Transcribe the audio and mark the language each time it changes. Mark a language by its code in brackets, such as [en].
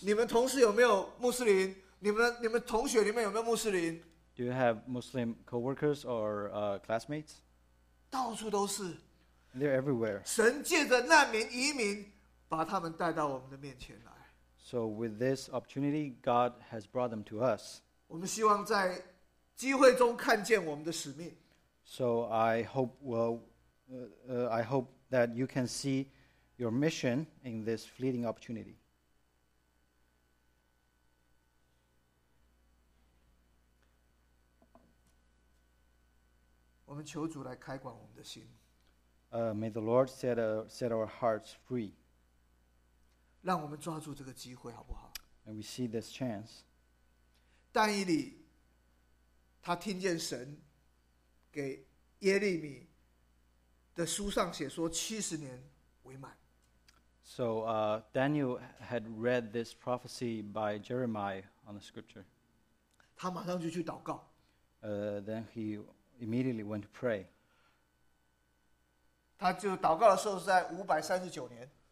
[zh] 你们同事有没有穆斯林？你们同学里面有没有穆斯林 [en] ？Do you have Muslim coworkers or classmates? [zh] 到处都是。 [en] They're everywhere. [zh] 神借着难民、移民。把他们带到我们的面前来。 [en] So with this opportunity, God has brought them to us. [zh] 我们希望在机会中看见我们的使命。 [en] So I hope, I hope that you can see your mission in this fleeting opportunity. [zh] 我们求主来开广我们的心。 [en] May the Lord set our hearts free. [zh] 让我们抓住这个机会好不好 [en] And we see this chance. [zh] 但以理他听见神给耶利米的书上写说七十年为满。 [en] So Daniel had read this prophecy by Jeremiah on the scripture. [zh] 他马上就去祷告。 [en] Then he immediately went to pray. [zh] 他就祷告的时候是在539年。